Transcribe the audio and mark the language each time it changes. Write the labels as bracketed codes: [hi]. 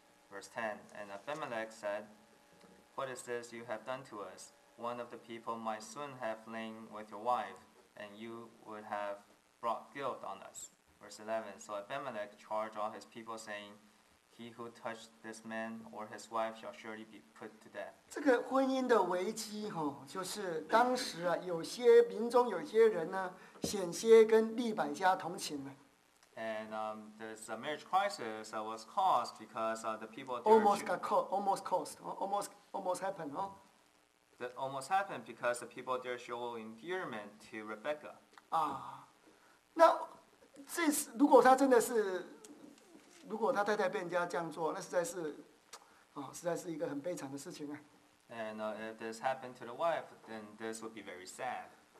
[en] Verse 10, and Abimelech said, What is this you have done to us? One of the people might soon have lain with your wife, and you would have... brought guilt on us. Verse 11, so Abimelech charged all his people, saying, He who touched this man or his wife shall surely be put to death. [zh] 这个婚姻的危机、哦、就是当时、啊、有些民众有些人呢险些跟利百加同寝了。 [en] And this marriage crisis was caused because the people almost got caught, almost happened.、Oh? That almost happened because the people there show endearment to Rebecca. [zh] 那这是如果他真的是，如果他太太被人家这样做，那实在是，实在是一个很悲惨的事情啊。 [en] And if this happened to the wife, then this would be very sad.